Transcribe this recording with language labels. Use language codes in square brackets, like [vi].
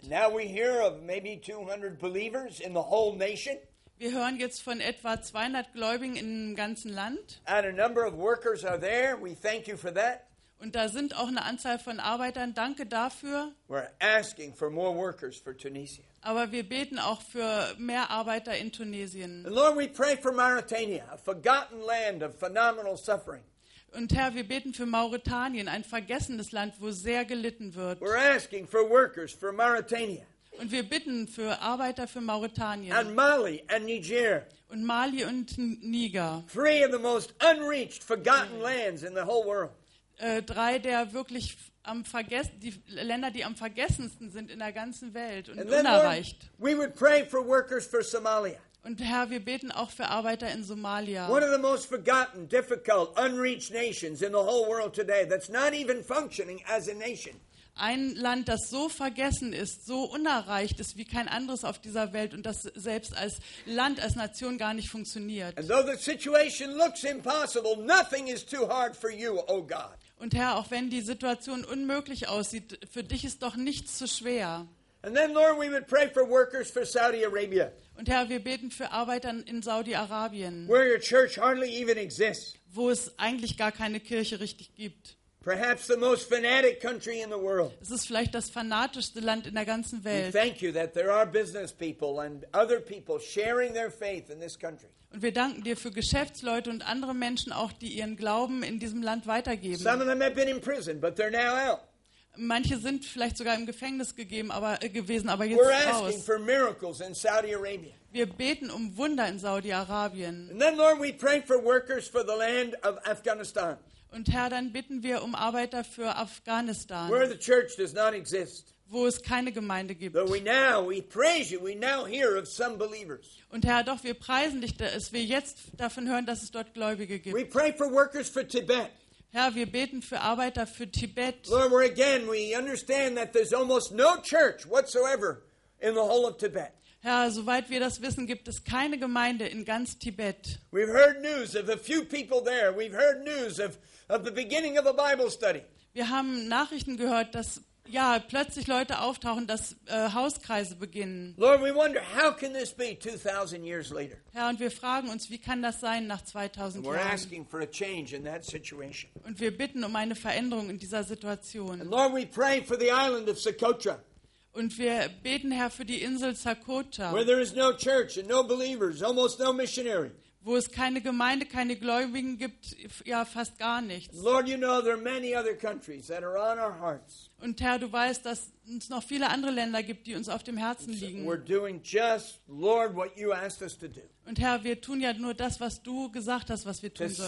[en] Now we hear of maybe 200 believers in the whole nation. [de] Wir hören jetzt von etwa 200 Gläubigen im ganzen Land. [en] And a number of workers are there. We thank you for that. [de] Und da sind auch eine Anzahl von Arbeitern. Danke dafür. [en] We're asking for more workers for Tunisia. [de] Aber wir beten auch für mehr Arbeiter in Tunesien. [en] Lord, we pray for Mauritania, a forgotten land of phenomenal suffering. [de] Und Herr, wir beten für Mauretanien, ein vergessenes Land, wo sehr gelitten wird. [en] We're asking for workers for Mauritania. [de] Und wir bitten für Arbeiter für Mauretanien. [en] And Mali and Niger. [de] Und Mali und Niger. [en] Three of the most unreached, forgotten lands in the whole world. [de] Drei der wirklich am vergessen die Länder, die am vergessensten sind in der ganzen Welt und unerreicht. [en] We would pray for workers for Somalia. [de] Und Herr, wir beten auch für Arbeiter in Somalia. [en] One of the most forgotten, difficult, unreached nations in the whole world today that's not even functioning as a nation. [de] Ein Land, das so vergessen ist, so unerreicht ist wie kein anderes auf dieser Welt und das selbst als Land, als Nation gar nicht funktioniert. [en] And though the situation looks impossible, nothing is too hard for you, oh God. [de] Und Herr, auch wenn die Situation unmöglich aussieht, für dich ist doch nichts zu schwer. [en] And then, Lord, we would pray for workers for Saudi Arabia. [de] Und Herr, wir beten für Arbeiter in Saudi-Arabien, [en] where your church hardly even exists. [de] Wo es eigentlich gar keine Kirche richtig gibt. [en] Perhaps the most fanatic country in the world. [de] Es ist vielleicht das fanatischste Land in der ganzen Welt. [en] We thank you that there are business people and other people sharing their faith in this country. [de] Und wir danken dir für Geschäftsleute und andere Menschen auch, die ihren Glauben in diesem Land weitergeben. [en] Some of them have been in prison, but they're now out. [de] Manche sind vielleicht sogar im Gefängnis gewesen, aber jetzt raus. [en] For miracles in Saudi Arabia. [de] Wir beten um Wunder in Saudi-Arabien. [en] And then, Lord, we pray for workers for the land of Afghanistan. [de] Und Herr, dann bitten wir um Arbeiter für Afghanistan, [en] where the church does not exist. [de] Wo es keine Gemeinde gibt. [en] But we praise you, we now hear of some believers. [de] Und Herr, doch, wir preisen dich, dass wir jetzt davon hören, dass es dort Gläubige gibt. [en] We pray for workers for Tibet. [de] Herr, wir beten für Arbeiter für Tibet. [en] Lord, again, we understand that there's almost no church whatsoever in the whole of Tibet. [de] Herr, soweit wir das wissen, gibt es keine Gemeinde in ganz Tibet. [en] We've heard news of a few people there. We've heard news of the beginning of a Bible study. [de] Wir haben Nachrichten gehört, dass ja plötzlich Leute auftauchen, dass Hauskreise beginnen. [en] Lord, we wonder how can this be 2,000 years later. [de] Herr, und wir fragen uns, wie kann das sein nach 2,000 Jahren? [en] We're asking for a change in that situation. [de] Und wir bitten um eine Veränderung in dieser Situation. [en] And Lord, we pray for the island of Socotra. [de] Und wir beten, Herr, für die Insel Socotra. [en] Where there is no church and no believers, almost no missionary. [de] Wo es keine Gemeinde, keine Gläubigen gibt, ja, fast gar nichts. [en] Lord, you know there are many other countries that are on our hearts. [de] Und Herr, du weißt, dass es noch viele andere Länder gibt, die uns auf dem Herzen liegen. [en] We're doing just, Lord, what you asked us to do. [de] Und Herr, wir tun ja nur das, was du gesagt hast, was wir tun sollen.